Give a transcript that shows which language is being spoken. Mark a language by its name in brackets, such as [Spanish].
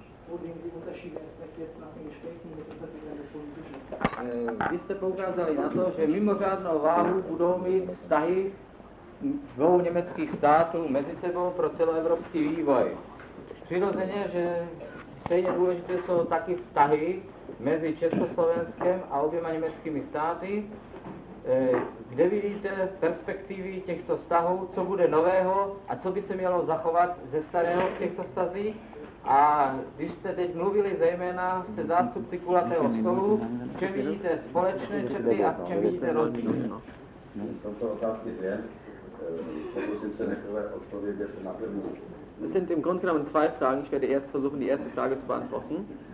[German] Und die Unterschiede, die jetzt nach den Gesprächen mit den politischen [Czech] Vy jste poukázali na to, že mimořádnou váhu budou mít vztahy dvou německých států mezi sebou pro celoevropský vývoj. Přirozeně, že stejně důležité jsou taky vztahy mezi Československem a oběma německými státy. Kde vidíte perspektivy těchto vztahů, co bude nového a co by se mělo zachovat ze starého v těchto vztazích? A když jste teď mluvili zejména se zástupci kulatého stolu, v čem vidíte společné črty a v čem vidíte rozdíly? Jsou to otázky dvě. Pokusím se nechové odpovědět na první. [German] Es sind im Grunde genommen zwei Fragen. Ich werde erst versuchen, die erste Frage zu beantworten.